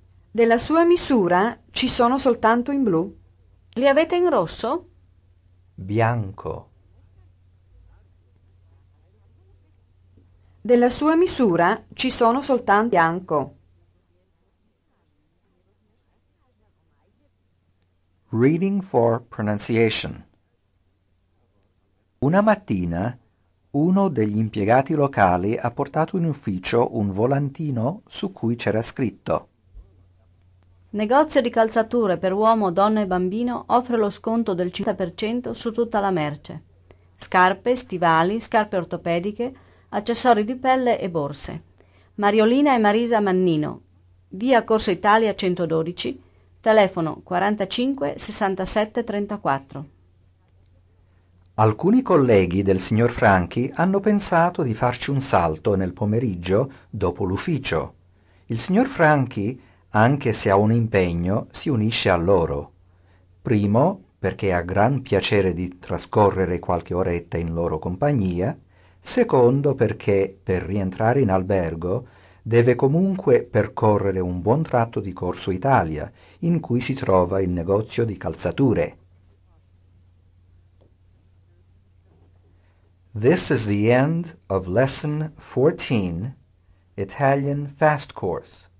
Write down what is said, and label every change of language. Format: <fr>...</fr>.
<it>Della sua misura ci sono soltanto in blu. Le avete in rosso? Bianco. Della sua misura ci sono soltanto bianco.</it> <en>Reading for pronunciation.</en> <it>Una mattina, uno degli impiegati locali ha portato in ufficio un volantino su cui c'era scritto: negozio di calzature per uomo, donna e bambino offre lo sconto del 50% su tutta la merce. Scarpe, stivali, scarpe ortopediche, accessori di pelle e borse. Mariolina e Marisa Mannino, via Corso Italia 112, telefono 45 67 34. Alcuni colleghi del signor Franchi hanno pensato di farci un salto nel pomeriggio dopo l'ufficio. Il signor Franchi, anche se ha un impegno, si unisce a loro. Primo, perché ha gran piacere di trascorrere qualche oretta in loro compagnia. Secondo, perché per rientrare in albergo deve comunque percorrere un buon tratto di Corso Italia, in cui si trova il negozio di calzature.</it> <en>This is the end of lesson 14, Italian Fast Course.</en>